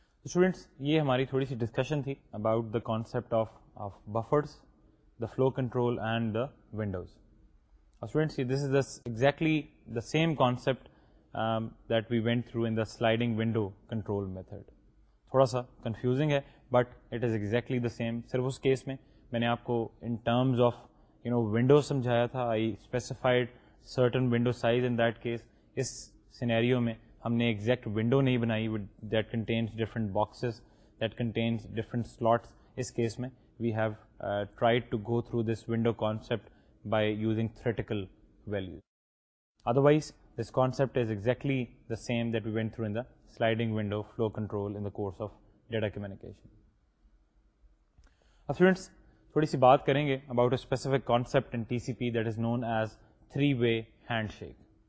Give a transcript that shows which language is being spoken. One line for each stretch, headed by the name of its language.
English: So students,
Urdu: ye hamari thodi si discussion thi
English: about the concept of buffers, the flow control and the windows. So students, see, this is exactly the same concept that we went through in the sliding window control method.
Urdu: Thoda sa confusing hai,
English: but it is exactly the same.
Urdu: Sirf us case mein میں نے آپ کو in terms of you know window سمجھایا تھا,
English: I specified certain window size in that case. اس scenario میں
Urdu: ہم نے exact window نہیں بنائی
English: That contains different boxes that contains different slots. اس case میں we have tried to go through this window concept by using theoretical values. Otherwise, this concept is exactly the same that we went through in the sliding window flow control in the course of data communication. Now, students, we'll talk about a specific concept in TCP that is known as three-way handshake.